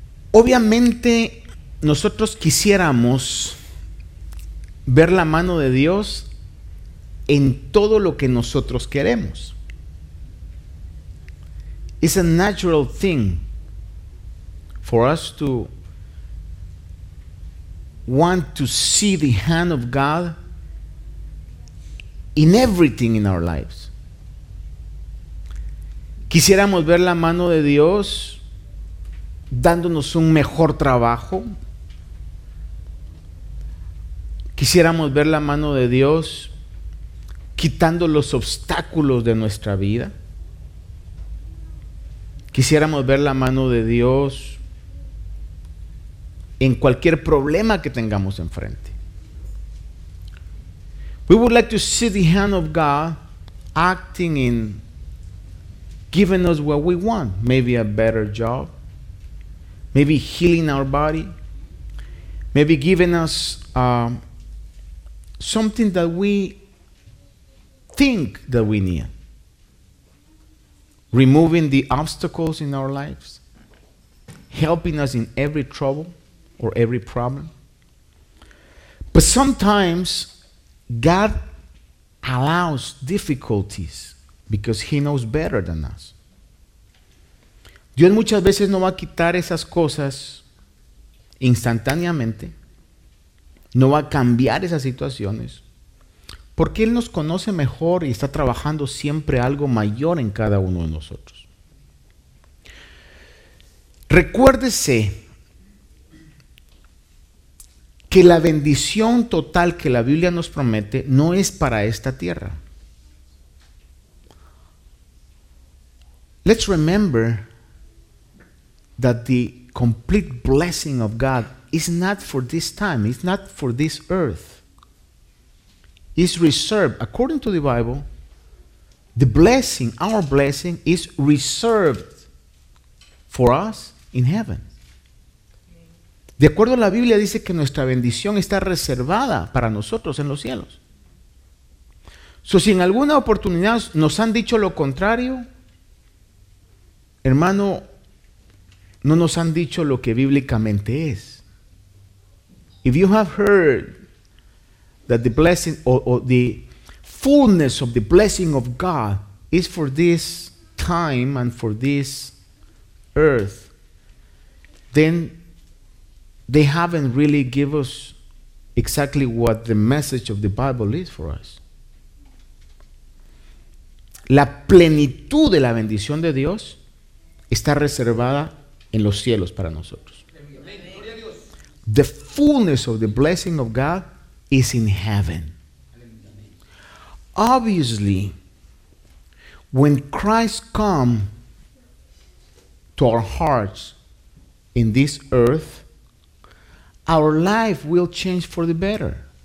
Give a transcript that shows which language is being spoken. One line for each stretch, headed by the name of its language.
Spanish: Obviamente, nosotros quisiéramos ver la mano de Dios en todo lo que nosotros queremos.
English: It's a natural thing for us to want to see the hand of God in everything in our lives.
Spanish: Quisiéramos ver la mano de Dios dándonos un mejor trabajo. Quisiéramos ver la mano de Dios quitando los obstáculos de nuestra vida. Quisiéramos ver la mano de Dios en cualquier problema que tengamos enfrente.
English: We would like to see the hand of God acting in giving us what we want. Maybe a better job. Maybe healing our body. Maybe giving us something that we think that we need. Removing the obstacles in our lives, helping us in every trouble or every problem. But sometimes God allows difficulties because He knows better than us.
Spanish: Dios muchas veces no va a quitar esas cosas instantáneamente, no va a cambiar esas situaciones, porque Él nos conoce mejor y está trabajando siempre algo mayor en cada uno de nosotros. Recuérdese que la bendición total que la Biblia nos promete no es para esta tierra.
English: Let's remember that the complete blessing of God is not for this time, it's not for this earth. Is reserved, according to the Bible, the blessing, our blessing, is reserved for us in heaven.
Spanish: De acuerdo a la Biblia, dice que nuestra bendición está reservada para nosotros en los cielos. So, si en alguna oportunidad nos han dicho lo contrario, hermano, no nos han dicho lo que bíblicamente es.
English: If you have heard that the blessing or the fullness of the blessing of God is for this time and for this earth, then they haven't really given us exactly what the message of the Bible is for us.
Spanish: La plenitud de la bendición de Dios está reservada en los cielos para nosotros.
English: The fullness of the blessing of God is in heaven. Obviously, when Christ comes to our hearts in this earth, our life will change for the better.